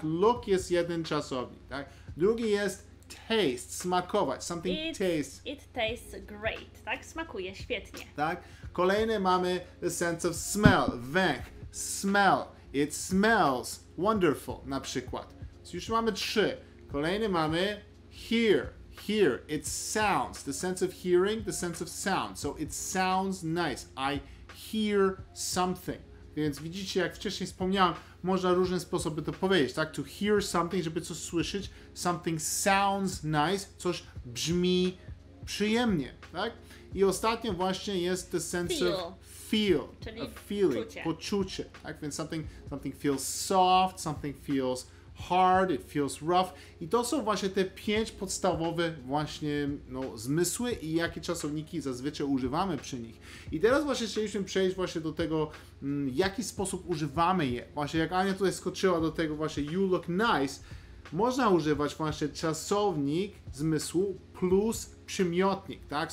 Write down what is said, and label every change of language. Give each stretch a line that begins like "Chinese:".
Polish: Look jest jeden czasownik, tak? Drugi jest taste, smakować, something
English: it, tastes. It tastes great,
Polish: tak? Smakuje świetnie. Tak? Kolejny mamy
English: the sense of smell, węch, smell. It smells wonderful,
Polish: na przykład. So już mamy 3. Kolejny mamy hear.
English: Hear, it sounds, the sense of hearing, the sense of sound. So it sounds nice. I hear something.
Polish: Więc widzicie, jak wcześniej wspomniałem, można różne sposoby to powiedzieć, tak?
English: To hear something,
Polish: żeby coś słyszeć.
English: Something sounds nice,
Polish: coś brzmi przyjemnie, tak? I ostatnio właśnie jest
English: the sense feel. Of feel.
Polish: Czyli
English: a feeling,
Polish: czucie. Poczucie. Tak więc
English: something feels soft, something feels hard, it feels rough.
Polish: I to są właśnie te pięć podstawowe właśnie no, zmysły i jakie czasowniki zazwyczaj używamy przy nich. I teraz właśnie chcieliśmy przejść właśnie do tego, w jaki sposób używamy je. Właśnie jak Ania tutaj skoczyła do tego właśnie
English: you look nice,
Polish: można używać właśnie czasownik zmysłu plus przymiotnik, tak?